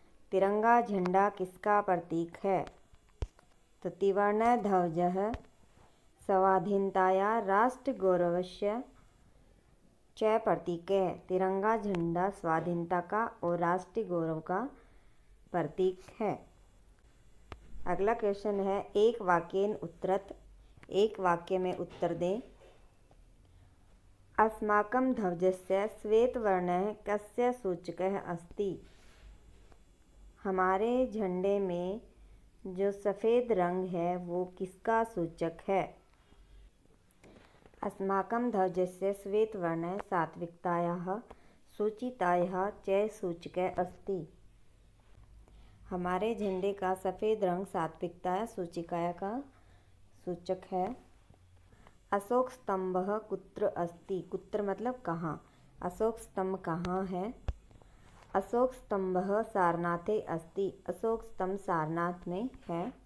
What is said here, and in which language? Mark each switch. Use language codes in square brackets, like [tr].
[hi] तिरंगा झंडा किसका प्रतीक है, तो [sa] त्रिवर्ण ध्वज स्वाधीनताया राष्ट्रगौरवस्य च प्रतीक [hi] है। तिरंगा झंडा स्वाधीनता का और राष्ट्रगौरव का प्रतीक है। अगला क्वेश्चन है, [sa] एक वाक्येन उत्तरत, [hi] एक वाक्य में उत्तर दें। [sa] अस्माकं ध्वजस्य श्वेतवर्णः कस्य सूचकः अस्ति। [hi] हमारे झंडे में जो सफ़ेद रंग है वो किसका सूचक है। [sa] अस्माकं ध्वजस्य श्वेतवर्णः सात्विकतायाः सूचितायाः च सूचकः अस्ति। [hi] हमारे झंडे का सफ़ेद रंग सात्विकता सूचिकाया का सूचक है। [sa] अशोक स्तंभ कुत्र अस्ति, [hi] कुत्र मतलब कहाँ, अशोक स्तंभ कहाँ है। [sa] अशोक स्तंभ सारनाथे अस्ति, [hi] अशोक स्तंभ सारनाथ में है।